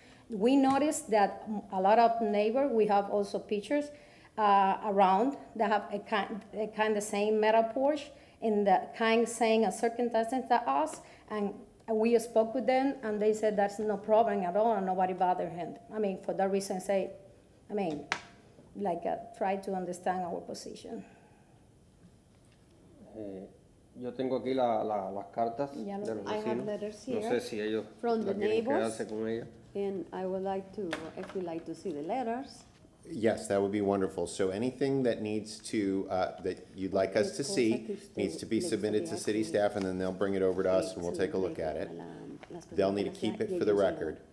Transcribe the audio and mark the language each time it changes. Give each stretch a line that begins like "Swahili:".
English: We noticed that a lot of neighbor, we have also pictures around that have a kind of same metal porch in the kind same circumstances as us. And we spoke with them and they said that's no problem at all and nobody bothered him. I mean, for that reason, try to understand our position.
Spanish: Yo tengo aquí las cartas de los vecinos.
English: I have letters here.
Spanish: No sé si ellos
English: from the neighbors.
Spanish: Quedarse con ella.
English: And I would like to, if you'd like to see the letters. Yes, that would be wonderful. So anything that needs to, that you'd like us to see, needs to be submitted to city staff and then they'll bring it over to us and we'll take a look at it. They'll need to keep it for the record.